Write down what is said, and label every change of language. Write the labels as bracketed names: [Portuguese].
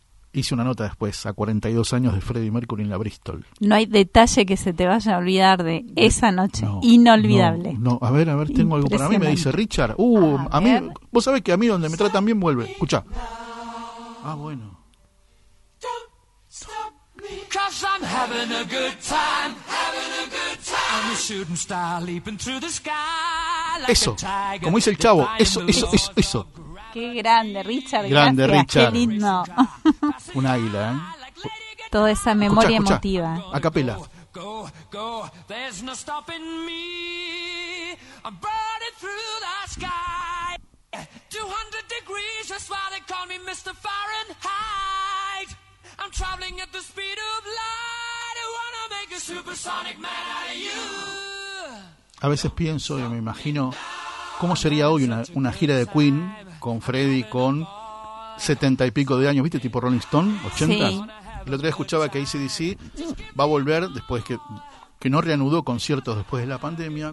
[Spanish] Hice una nota después, a 42 años de Freddie Mercury en la Bristol. No hay detalle que se te vaya a olvidar de esa noche. No, inolvidable. No. A ver, tengo algo para mí. Me dice Richard. A mí, vos sabés que a mí donde me tratan bien vuelve. Escuchá. Ah, bueno. [English] Cause I'm having a good time, having a good time. I'm a shooting star leaping through the sky like eso, a tiger. [Spanish] Como dice el Chavo, eso. Qué grande, Richard. Grande, gracias. Richard. Qué lindo. Un águila, ¿eh? Toda esa memoria escucha, emotiva. A capela. [English] Go, go, there's no stopping me. I'm burning through the sky. 200 degrees, that's why they call me Mr. Fahrenheit. I'm traveling at the speed of light. I wanna make a supersonic man out of you. [Spanish] A veces pienso y me imagino cómo sería hoy una gira de Queen con Freddie, con 70 y pico de años, ¿viste? Tipo Rolling Stone, 80. Sí. El otro día escuchaba que AC/DC va a volver después que no reanudó conciertos después de la pandemia.